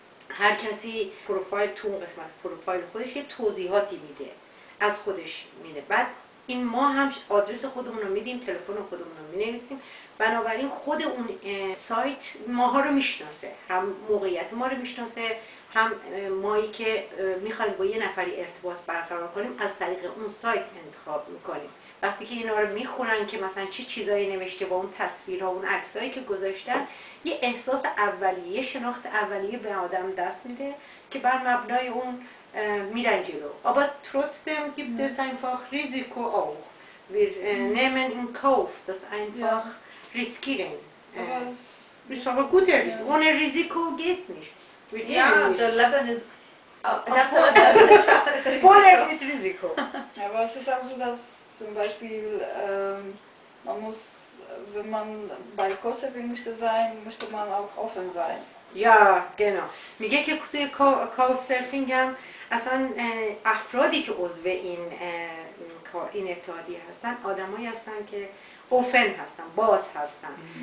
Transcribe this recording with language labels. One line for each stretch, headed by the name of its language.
Persian: هر کسی پروفایل تو قسمت پروفایل خودش یه توضیحاتی میده، از خودش میده، بعد این ما هم آدرس خودمون رو میدیم، تلفن خودمون رو مینویسیم، بنابراین خود اون سایت ماها رو میشناسه، هم موقعیت ما رو میشناسه، هم مایی که میخوایم با یه نفری ارتباط برقرار کنیم از طریق اون سایت انتخاب میکنیم. وقتی که اینا رو میخونن که مثلا چه چیزایی نوشته با اون تصویرها اون عکسایی که گذاشتن، یه احساس اولیه، شناخت اولیه به آدم دست میده که بر مبنای اون میرن جلو. اما
German: trotzdem gibt es einfach Risiko auch. Wir nehmen in Kauf, das einfach riskieren. Ist aber gut, ohne Risiko geht nicht. Ja, der Leben ist Risiko. Aber es ist auch so, dass zum Beispiel man muss, wenn man bei Couchsurfing möchte sein, müsste man auch offen sein. Ja, genau.
Persian: میگه که توی Couchsurfing هم اصلا افرادی که عضو این اتحادیه هستن آدمایی هستن که اوفن هستن، باز هستن